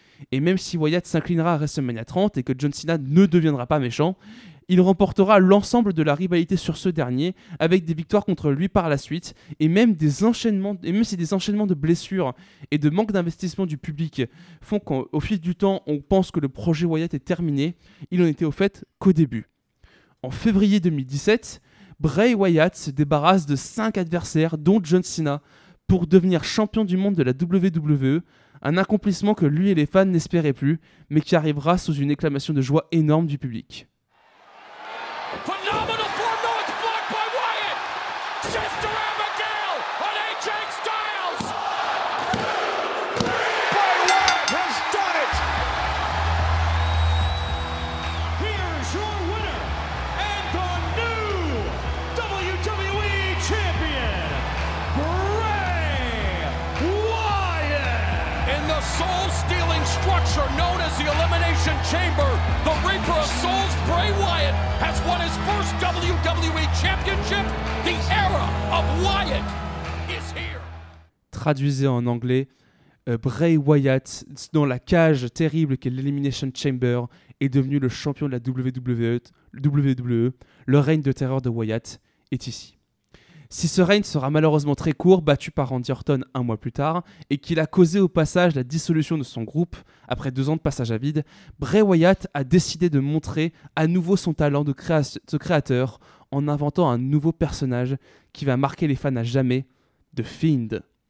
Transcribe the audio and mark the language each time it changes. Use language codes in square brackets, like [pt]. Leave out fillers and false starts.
[fr] Et même si Wyatt s'inclinera à WrestleMania 30 et que John Cena ne deviendra pas méchant, il remportera l'ensemble de la rivalité sur ce dernier avec des victoires contre lui par la suite et même des enchaînements, et même si des enchaînements de blessures et de manque d'investissement du public font qu'au fil du temps on pense que le projet Wyatt est terminé, il en était au fait qu'au début. En février 2017, Bray Wyatt se débarrasse de 5 adversaires dont John Cena pour devenir champion du monde de la WWE, un accomplissement que lui et les fans n'espéraient plus mais qui arrivera sous une acclamation de joie énorme du public. [en] Phenomenal four-note block by Wyatt! Sister Abigail on AJ Styles! 1, 2, 3! Bray Wyatt has done it! Here's your winner and the new WWE Champion, Bray Wyatt! In the soul-stealing structure known as the Elimination Chamber, the Reaper of Souls, Bray Wyatt, has won his first WWE Championship. The era of Wyatt is here. [fr] Traduisez en anglais, Bray Wyatt, dans la cage terrible qu'est l'Elimination Chamber, est devenu le champion de la WWE. Le règne de terreur de Wyatt est ici. Si ce règne sera malheureusement très court, battu par Randy Orton 1 mois plus tard, et qu'il a causé au passage la dissolution de son groupe, après 2 ans de passage à vide, Bray Wyatt a décidé de montrer à nouveau son talent de créateur en inventant un nouveau personnage qui va marquer les fans à jamais, The Fiend.